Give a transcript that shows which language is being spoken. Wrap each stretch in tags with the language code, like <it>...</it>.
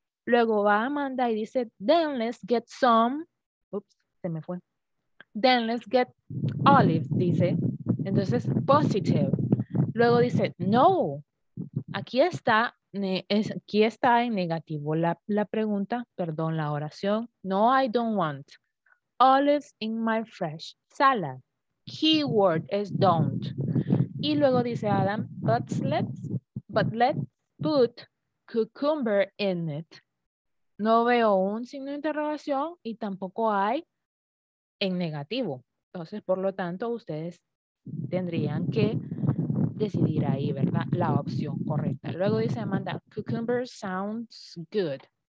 <es>Luego va Amanda y dice,</es> <en>then let's get some.</en> <es>Ups, se me fue.</es> <en>Then let's get olives, dice. Entonces, positive.</en> <es>Luego dice, no. Aquí está en negativo la pregunta, perdón, la oración.</es> <en>No, I don't want olives in my fresh salad. Keyword is don't.</en> <es>Y luego dice</es> <en>Adam, but let's put cucumber in it.</en> <es>No veo un signo de interrogación y tampoco hay en negativo. Entonces, por lo tanto, ustedes tendrían que decidir ahí, ¿verdad? La opción correcta. Luego dice Amanda,</es> <en>cucumber sounds good.</en>